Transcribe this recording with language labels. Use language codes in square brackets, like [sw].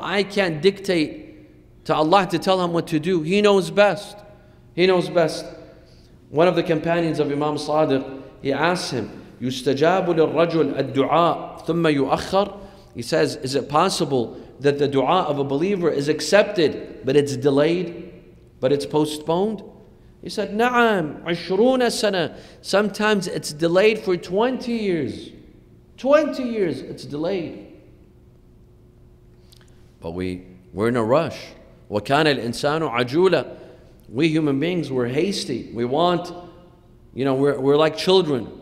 [en] I can't dictate to Allah to tell him what to do. He knows best. He knows best. One of the companions of Imam Sadiq, he asks him, [ar] يُسْتَجَابُ لِلْرَجُلِ الدُّعَاءِ ثُمَّ يُؤَخَّرُ. [en] He says, is it possible that the dua of a believer is accepted, but it's delayed, but it's postponed? He said, [ar] نَعَمْ عِشْرُونَ سَنَةً. [en] Sometimes it's delayed for 20 years. 20 years it's delayed. But we're in a rush. [ar] وَكَانَ الْإِنسَانُ عَجُولًا. [en] We human beings, we're hasty. We want, you know, we're like children.